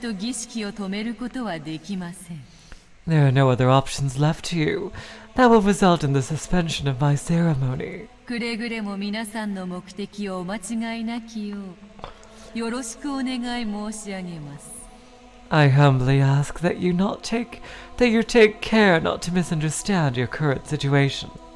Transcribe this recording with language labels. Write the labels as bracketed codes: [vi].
[ja] それ以外のいかなる方法をもってしても、私と儀式を止めることはできません。 [en] There are no other options left to you. That will result in the suspension of my ceremony. [ja] くれぐれも皆さんの目的をお間違いなきよう。 [en] I humbly ask that you not take, that you take care not to misunderstand your current situation.